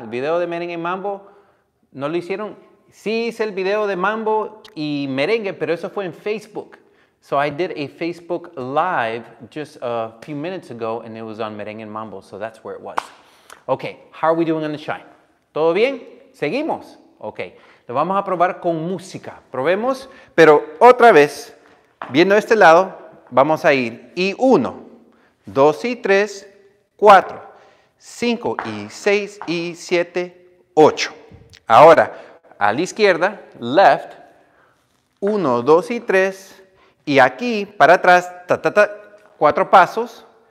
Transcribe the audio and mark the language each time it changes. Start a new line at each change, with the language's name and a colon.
Spanish: El video de merengue y mambo, ¿no lo hicieron? Sí, hice el video de mambo y merengue, pero eso fue en Facebook.
English: So I did a Facebook live just a few minutes ago, and it was on merengue y mambo, so that's where it was. Okay, how are we doing on the shine?
Spanish: ¿Todo bien? ¿Seguimos? Okay, lo vamos a probar con música. Probemos, pero otra vez, viendo este lado, vamos a ir y uno, dos y tres, cuatro, cinco y seis y siete, ocho. Ahora, a la izquierda, left, uno, dos y tres, y aquí, para atrás, ta, ta, ta, cuatro pasos.